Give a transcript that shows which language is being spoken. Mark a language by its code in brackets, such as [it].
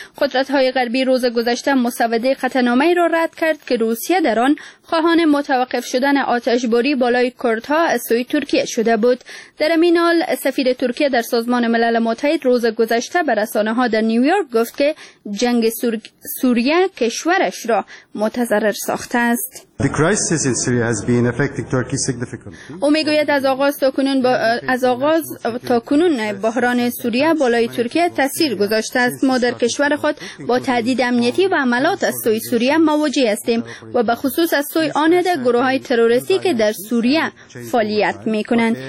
[fa] قدرت‌های غربی روز گذشته مسوده قطعنامه را رد کرد که روسیه در آن خواهان متوقف شدن آتشباری بالای کردها از سوی ترکیه شده بود. در این حال سفیر ترکیه در سازمان ملل متحد روز گذشته به رسانه‌ها در نیویورک گفت که جنگ سوریه کشورش را متضرر ساخته است. [en] The crisis in Syria has been affecting Turkey significantly. [fa] او میگوید از آغاز تا کنون بحران سوریه بالای ترکیه تاثیر گذاشته است. ما در کشور خود با تهدید امنیتی و عملات از سوی سوریه مواجه هستیم و به خصوص از سوی آنده گروه‌های تروریستی که در سوریه فعالیت می‌کنند.